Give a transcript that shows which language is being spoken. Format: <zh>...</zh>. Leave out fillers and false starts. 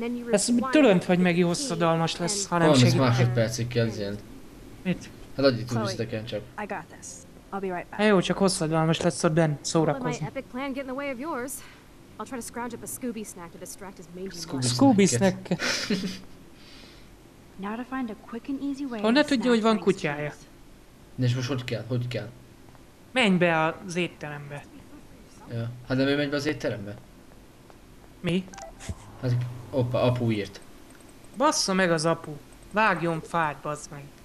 <hu>Ezt mit tudod, hogy meg hosszadalmas lesz, ha nem segítek? 30 másodpercig kell ilyen. Mit? Hát adj itt visszatekent csak.</hu> <en>I got this. I'll be right back.</en> <hu>Jó, csak hosszadalmas lesz ott benn szórakozni.</hu> <en>My epic plan get in the way of yours. I'll try to scrounge up a Scooby snack to distract his mangy mind. Scooby snack. Now to find a quick and easy way.</en> <hu>Honnan tudja, hogy van kutyája? De és most hogy kell? Hogy kell? Menj be az étterembe. Ja. Hát nem ő megy be az étterembe? Mi? Hát, opa, apu írt. Bassza meg az apu. Vágjon fát, bassz meg.</hu>